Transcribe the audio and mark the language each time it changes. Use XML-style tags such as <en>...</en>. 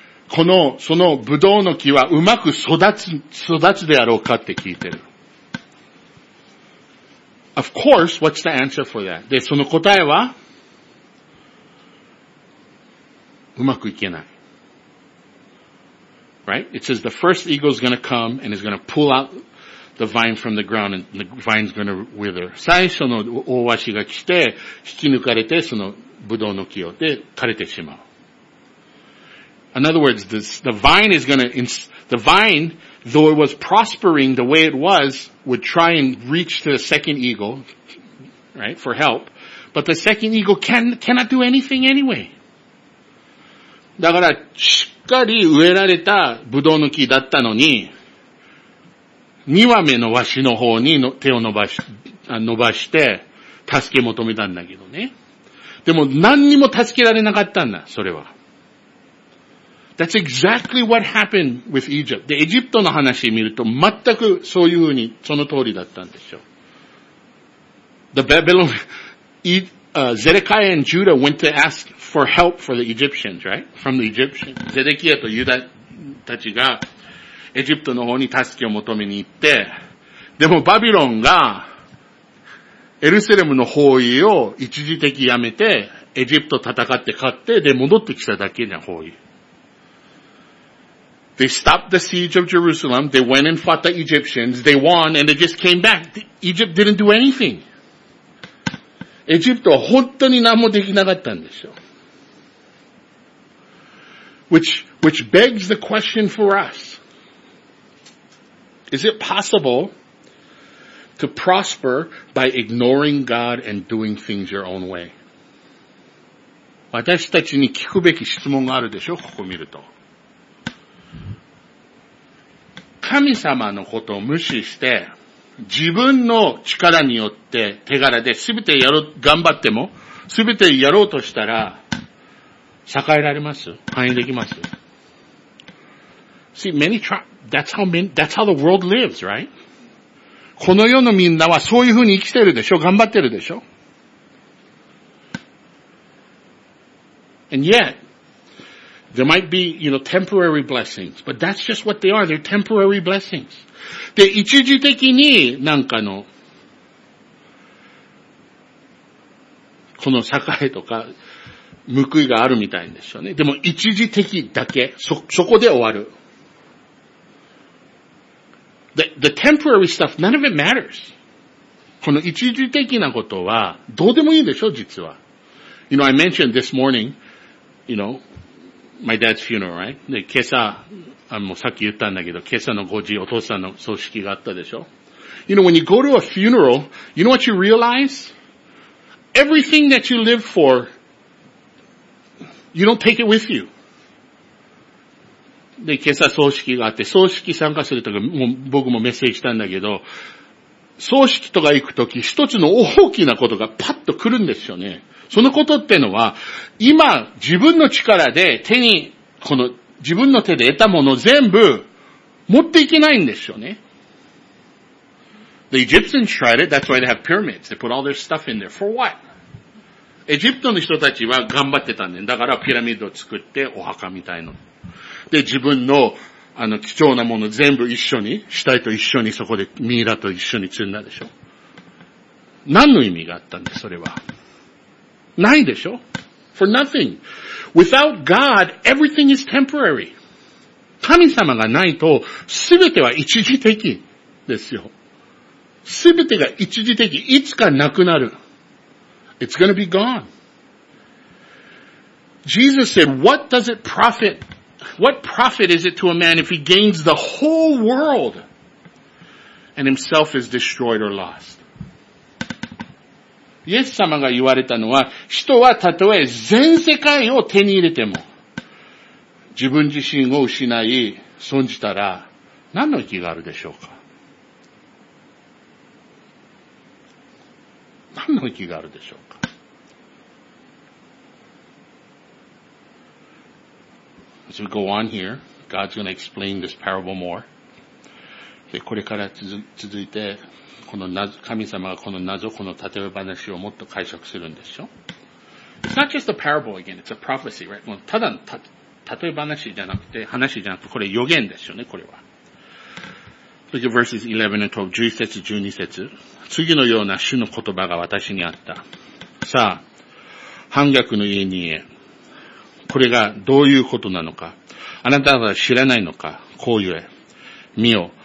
<ja>この、そのブドウの木はうまく育つであろうかって聞いてる。</ja> <en>Of course, what's the answer for that?</en> <ja>で、その答えは、うまくいけない。</ja> <en>Right? It says the first eagle is going to come and is going to pull out the vine from the ground and the vine is going to wither.</en> <ja>最初の大ワシが来て、引き抜かれて、そのブドウの木をで枯れてしまう。</ja> <en>In other words, the vine, though it was prospering the way it was, would try and reach to the second eagle, right, for help. But the second eagle cannot do anything anyway.</en> <ja>だから、しっかり植えられたブドウの木だったのに、二羽目のワシの方に手を伸ばして、助け求めたんだけどね。でも何にも助けられなかったんだ、それは。</ja> <en>That's exactly what happened with Egypt.</en> <ja>で、エジプトの話を見ると全くそういうふうにその通りだったんでしょう。</ja> <en>The Babylon, Zedekiah and Judah went to ask for help for the Egyptians, right? From the Egyptians.</en> <ja>ゼデキヤとユダたちが、エジプトの方に助けを求めに行って、でもバビロンがエルサレムの包囲を一時的やめて、エジプト戦って勝って、で戻ってきただけな包囲。</ja> <en>They stopped the siege of Jerusalem. They went and fought the Egyptians. They won and they just came back. Egypt didn't do anything.</en> <ja>エジプトは本当に何もできなかったんですよ。</ja> <en>Which begs the question for us. Is it possible to prosper by ignoring God and doing things your own way?</en> <ja>私たちに聞くべき質問があるでしょ、ここ見ると。神様のことを無視して、自分の力によって手柄で全てやろう、頑張っても、全てやろうとしたら、栄えられます? 繁栄できます?</ja> <en>See, many try, that's how the world lives, right?</en> <ja>この世のみんなはそういうふうに生きてるでしょ? 頑張ってるでしょ?</ja> <en>And yet, there might be, you know, temporary blessings, but that's just what they are, they're temporary blessings.</en> <ja>で、一時的になんかの、この栄えとか、報いがあるみたいんですよね。でも一時的だけ、そこで終わる。</ja> <en>The temporary stuff, none of it matters.</en> <ja>この一時的なことは、どうでもいいでしょ、実は。</ja> <en>You know, I mentioned this morning, you know, my dad's funeral, right?</en> <ja>で、今朝、あもうさっき言ったんだけど、今朝の5時、お父さんの葬式があったでしょ。</ja> <en>You know, when you go to a funeral, you know what you realize? Everything that you live for,You don't take it with you.</en> <ja>で、今朝葬式があって、葬式参加するとか、もう僕もメッセージしたんだけど、葬式とか行くとき、一つの大きなことがパッと来るんですよね。そのことってのは、今自分の力で手に、この自分の手で得たもの全部持っていけないんですよね。</ja> <en>The Egyptians tried it, that's why they have pyramids. They put all their stuff in there. For what?</en> <ja>エジプトの人たちは頑張ってたんだよ。だからピラミッドを作ってお墓みたいの。で、自分の、あの、貴重なもの全部一緒に、死体と一緒にそこでミイラと一緒に積んだでしょ。何の意味があったんだ、それは。ないでしょ</ja> <en>?For nothing. Without God, everything is temporary.</en> <ja>神様がないと、すべては一時的ですよ。すべてが一時的、いつかなくなる。</ja> <en>It's going to be gone. Jesus said, what profit is it to a man if he gains the whole world and himself is destroyed or lost?</en> <ja>イエス様が言われたのは、人はたとえ全世界を手に入れても、自分自身を失い、損じたら、何の意義があるでしょうか? 何の意義があるでしょうか?</ja> <en>As we go on here, God's going to explain this parable more.</en> <ja>で、これから続いて、この神様がこの謎、この例え話をもっと解釈するんでしょ?</ja> <en>It's not just a parable again, it's a prophecy, right?</en> <ja>もうただの例え話じゃなくて、これ予言ですよね、これは。</ja> <en>Look at verses 11 and 12,</en> <ja>11節、12節。次のような主の言葉が私にあった。さあ、反逆の家にへ。これがどういうことなのか。あなた方は知らないのか。こう言え。見よ。</ja>